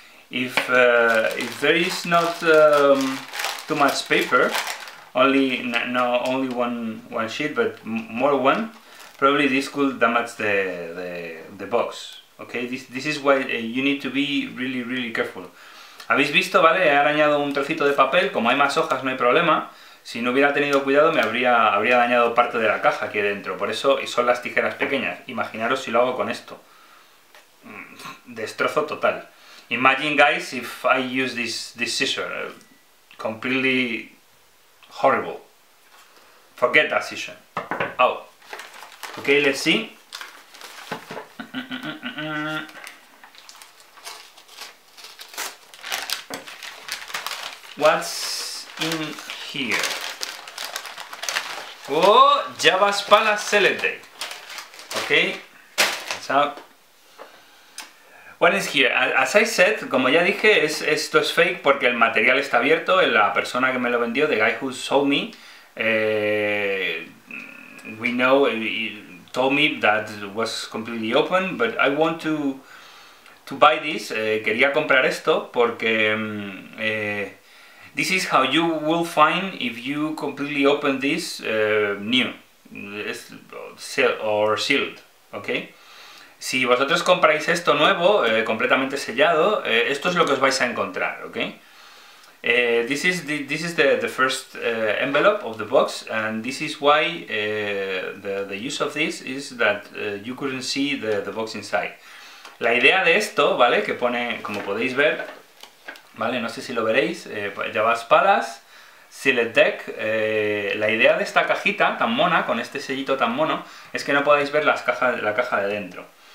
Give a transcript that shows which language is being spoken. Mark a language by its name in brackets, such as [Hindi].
[English] If there is not too much paper, only one sheet, but more one, probably this could damage the box. Okay, this is why you need to be really really careful. [Spanish] ¿Habéis visto, vale? He arañado un trocito de papel. Como hay más hojas, no hay problema. Si no hubiera tenido cuidado, me habría dañado parte de la caja aquí dentro. Por eso son las tijeras pequeñas. Imaginaros si lo hago con esto. Destrozo total. [English] Imagine, guys, if I use this scissor. Completely horrible. Forget that scissor. Oh. Ok, let's see. What's in here? Oh, Jabba's Palace select deck. Okay, what's up? What is here? As I said, [Spanish] como ya dije, esto es fake porque el material está abierto. La persona que me lo vendió, [English] the guy who sold me, we know, he told me that it was completely open, but I want to buy this. [Spanish] Quería comprar esto porque [English] this is how you will find if you completely open this new. It's sealed or sealed, okay? [Spanish] Si vosotros compráis esto nuevo, completamente sellado, esto es lo que os vais a encontrar, ¿ok? [English] This is the first envelope of the box, and this is why the use of this is that you couldn't see the box inside. [Spanish] La idea de esto, ¿vale? Que pone, como podéis ver, ¿vale? No sé si lo veréis, lleva espadas, sealed deck. La idea de esta cajita tan mona, con este sellito tan mono, es que no podáis ver la caja de dentro.